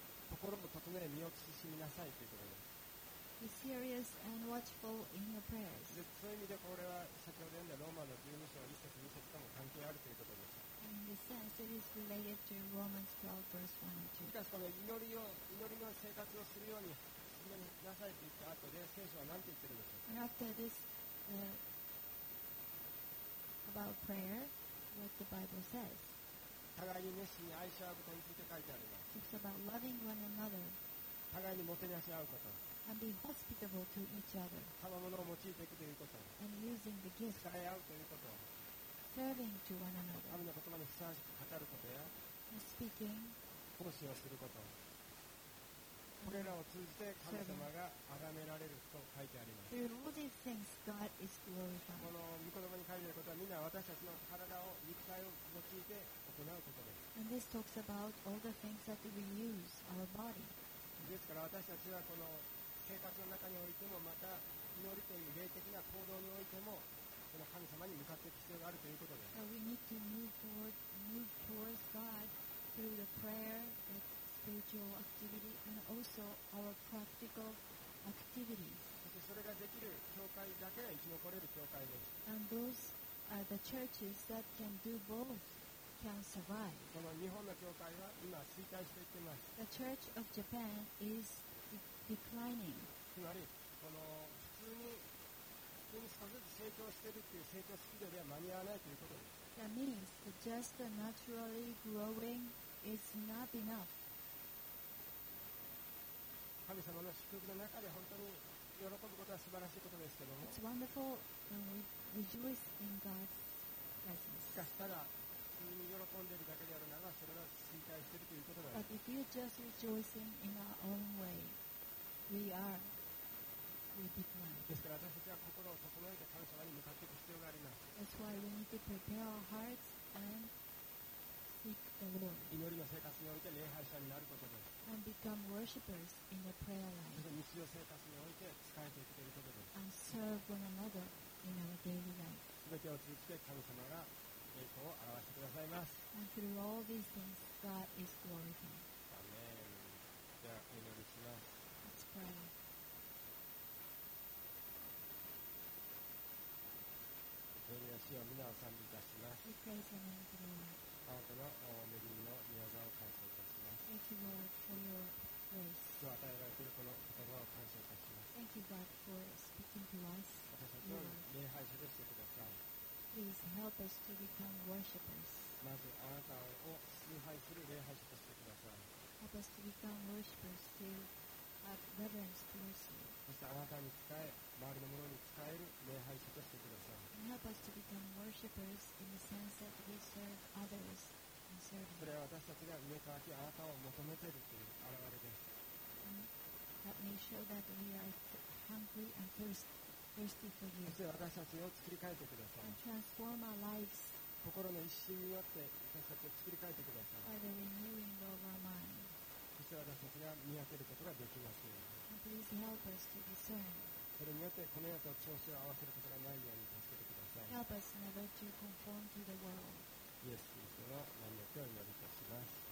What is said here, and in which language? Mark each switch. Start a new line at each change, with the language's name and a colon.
Japanese: 心を整え身を慎みなさいということです。
English: Be serious and watchful in your prayers.
Japanese: そういう意味でこれは先ほど読んだローマの12章1節2節とも関係あるということです。
English: And in this sense, it is related to Romans 12, verse 1 and 2.
Japanese: しかしこの祈りの生活をするように進めなさいと言った後で聖書は何て言ってるんでしょうか。
English: And after this, about prayer, what the Bible says.
Japanese: 互いに熱心に愛し合うことについて書いてあります。
English: It's about loving one another.
Japanese: 互いにもてなし合うこと。
English: And be hospitable to each other.
Japanese: 賜物を用いていくということ。
English: And using the gifts.
Japanese: 使い合うということ。
English: Serving to one another.
Japanese: 神の言葉にふさわしく語ることや。
English: And speaking.
Japanese: 奉仕をすること。これらを通じて神様が崇められると書いてあります。
English: Through all these things, God is glorified.
Japanese: この御言葉に書いてあることは、みんな私たちの体を、肉体を用いて行うことです。
English: And this talks about all the things that we use, our body.
Japanese: ですから私たちはこの生活の中においても、また祈りという霊的な行動においても、この神様に向かっていく必要があるということです。
English: So we need to move towards God through the prayer, the spiritual activity, and also our practical activities.
Japanese: そしてそれができる教会だけが生き残れる教会です。
English: And those are the churches that can do both. Can survive.
Japanese: この日本の教会は今衰退していっています。
English: The Church of Japan is declining.
Japanese: つまりこの普通に少しずつ成長しているという成長スピードでは間に合わないということです。
English: That means that just naturally growing is not enough.
Japanese: 神様の祝福の中で本当に喜ぶことは素晴らしいことですけども。
English: It's wonderful and we rejoice in God's presence.
Japanese: しかしただ普通に喜んでいるだけであるなら、それは衰退しているということだ。
English: But if you're just rejoicing in our own way, we decline.
Japanese: ですから私たちは心を整えて神様に向かっていく必要があります。
English: That's why we need to prepare our hearts and seek the Lord.
Japanese: 祈りの生活において礼拝者になることです。
English: And become worshippers in the prayer life.
Japanese: そして日常生活において仕えていくということです。
English: And serve one another in our daily life.
Japanese: すべてを通じて神様が栄光を表してくださいます。
English: And through all these things, God is glorified.
Japanese: アーメン。では祈りします。
English: Let's pray.
Japanese: 天の主よ、皆を賛美いたします。 Let's 大事な日のあなたの恵みの御業を感謝いたします。
English: Thank you Lord for your grace.
Japanese: 今日与えられているこの言葉を感謝いたします。
English: Thank you God for speaking to us.
Japanese: 私たちを礼拝者としてください。
English: Please help us to become worshippers.
Japanese: まずあなたを礼拝する礼拝者としてください。
English: Help us to become worshippers to have reverence towards you.
Japanese: そしてあなたに使え周りのものに使える礼拝者としてください。
English: Help us to become worshippers in the sense that we serve others and serve.
Japanese: それは私たちが目かわきあなたを求めているという表れです。
English: Help me show that we are hungry and thirsty for you.
Japanese: そして私たちを作り変えてください。
English: And transform our lives.
Japanese: 心の一新によって私たちを作り変えてください。
English: By the renewing of our mind.
Japanese: そして私たちが見分けることができますように。
English: And please help us to discern.
Japanese: それによってこの世と調子を合わせることがないように助けてください。
English: Help us never to conform to the world.
Japanese: イエス・キリストの名によってお祈りいたします。